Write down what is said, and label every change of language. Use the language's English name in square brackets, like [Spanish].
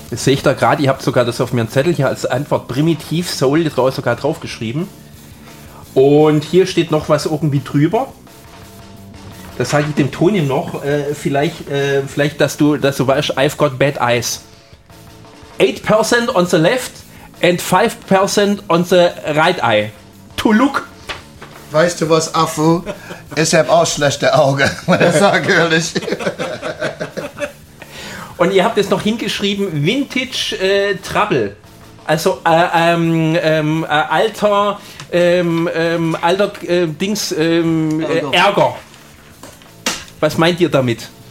[German] Das sehe ich da gerade. Ihr habt sogar das auf meinem Zettel hier als Antwort Primitiv Soul sogar draufgeschrieben. Und hier steht noch was irgendwie drüber. Das sage ich dem Toni noch, vielleicht, dass du weißt, [English] I've got bad eyes. 8% on the left and 5% on the right eye. Toluk. [German] Weißt du was, Afu? Ich hab auch schlechte Augen, wenn ich sage ehrlich. Und ihr habt es noch hingeschrieben, Vintage Trouble. Also Ärger. Was meint ihr damit?